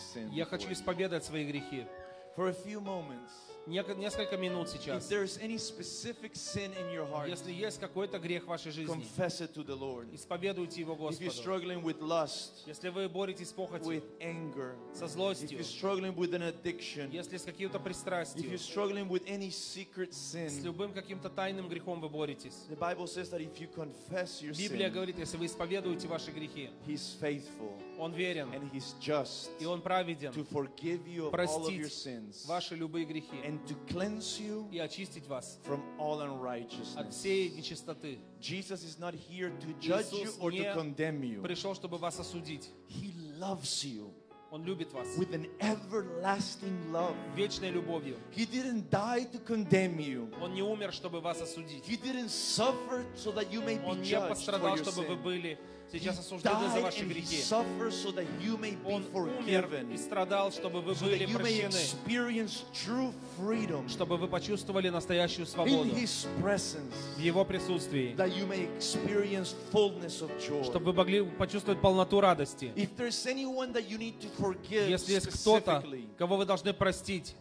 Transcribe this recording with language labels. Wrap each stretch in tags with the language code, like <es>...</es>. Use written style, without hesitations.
<ru>Я хочу исповедать свои грехи. Несколько минут сейчас.</ru> <en>If there is any specific sin in your heart,</en> <ru>если есть какой-то грех в вашей жизни,</ru> <en>confess it to the Lord.</en> <ru>Исповедуйте его Господу.</ru> <en>If you're struggling with lust,</en> <ru>если вы боретесь с похотью,</ru> <en>with anger,</en> <ru>со злостью,</ru> <en>if you're struggling with an addiction,</en> <ru>если с каким-то пристрастием,</ru> <en>if you're struggling with any secret sin,</en> <ru>с любым каким-то тайным грехом вы боретесь,</ru> <en>the Bible says that if you confess your sin,</en> <ru>Библия говорит, если вы исповедуете ваши грехи,</ru> <en>He's faithful.</en> <ru>Он верен.</ru> <en>And he's just,</en> <ru>и Он праведен.</ru> <en>To forgive you of</en> <ru>простить</ru> <en>all of your sins,</en> <ru>ваши любые грехи.</ru> <en>And to cleanse you,</en> <ru>и очистить вас</ru> <en>from all unrighteousness.</en> <ru>От всей нечистоты.</ru> <en>Jesus is not here to judge you or to condemn you.</en> <ru>Пришел, чтобы вас осудить.</ru> <en>He loves you.</en> <ru>Он любит вас.</ru> <en>With an everlasting love.</en> <ru>Вечной любовью.</ru> <en>He didn't die to condemn you.</en> <ru>Он не умер, чтобы вас осудить.</ru> <en>He didn't suffer so that you may be judged for your sin.</en> <ru>Он не пострадал, чтобы вы были сейчас осуждены за ваши грехи.</ru> <en>He suffered so that you may be forgiven.</en> <ru>И страдал, чтобы вы</ru> <en>so</en> <ru>были прощены.</ru> <en>So that you may experience true freedom.</en> <ru>Чтобы вы почувствовали настоящую свободу.</ru> <en>In his presence.</en> <ru>В его присутствии.</ru> <en>That you may experience fullness of joy.</en> <ru>Чтобы вы могли почувствовать полноту радости.</ru> <en>If there's anyone that you need to forgive,</en> <ru>если есть кто-то, кого вы должны простить,</ru>